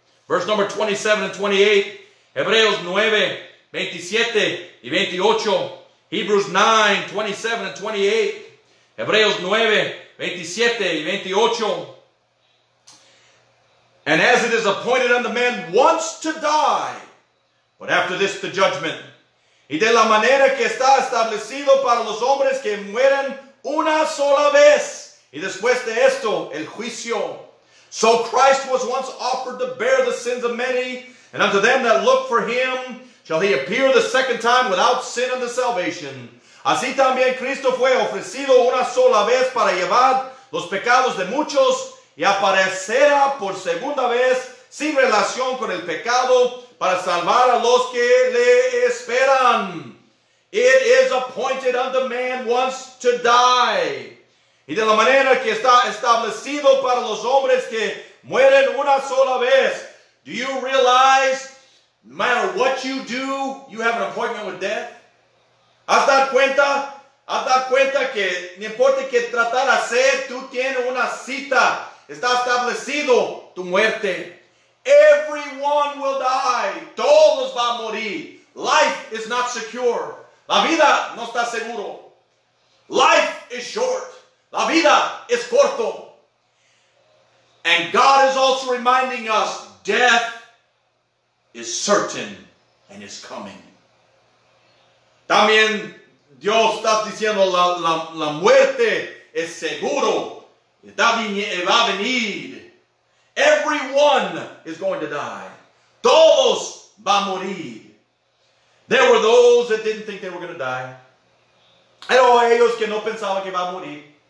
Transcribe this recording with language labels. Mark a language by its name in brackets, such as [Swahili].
[English] Verse number 27 and 28. [Spanish] Hebreos 9, 27 y 28. [English] Hebrews 9, 27 and 28. [Spanish] Hebreos 9, 27 y 28. [English] And as it is appointed unto men once to die, but after this the judgment. [Spanish] Y de la manera que está establecido para los hombres que mueren una sola vez. Y después de esto, el juicio. [English] So Christ was once offered to bear the sins of many, and unto them that look for him shall he appear the second time without sin unto salvation. [Spanish] Así también Cristo fue ofrecido una sola vez para llevar los pecados de muchos, y aparecerá por segunda vez sin relación con el pecado para salvar a los que le esperan. [English] It is appointed unto man once to die. [Spanish] Y de la manera que está establecido para los hombres que mueren una sola vez. [English] Do you realize, no matter what you do, you have an appointment with death? [Spanish] ¿Has dado cuenta que no importa qué tratar de hacer, tú tienes una cita? Está establecido tu muerte. [English] Everyone will die. [Spanish] Todos van a morir. [English] Life is not secure. [Spanish] La vida no está seguro. [English] Life is short. [Spanish] La vida es corto. [English] And God is also reminding us death is certain and is coming. [Spanish] También Dios está diciendo la muerte es seguro. Va a venir. [English] Everyone is going to die. [Spanish] Todos va a morir. [English] There were those that didn't think they were going to die. [Spanish] Pero ellos que no pensaban que va a morir.